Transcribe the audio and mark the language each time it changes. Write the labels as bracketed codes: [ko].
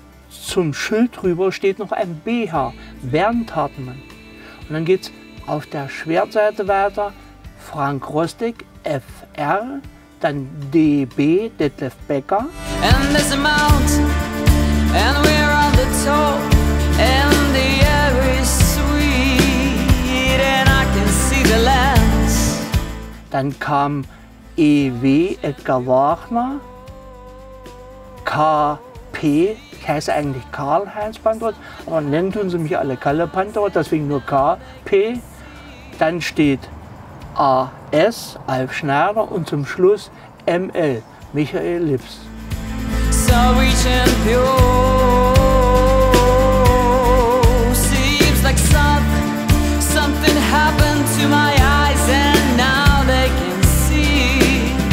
[de] Zum Schild drüber steht noch ein BH, Bernd Hartmann. Und dann geht's auf der Schwertseite weiter, Frank Rostig FR, dann DB, Detlef Becker. [en] And there's a mount, and we're on the top, and the air is sweet, and I can see the lands. [de] Dann kam EW, Edgar Wagner. K.P., ich heiße eigentlich Karl-Heinz Pantot, aber nennen tun sie mich alle Kalle Pantot, deswegen nur K.P. Dann steht A.S., Alf Schneider, und zum Schluss M.L., Michael Lips. [en] So rich and pure, seems like something happened to my eyes and now they can see.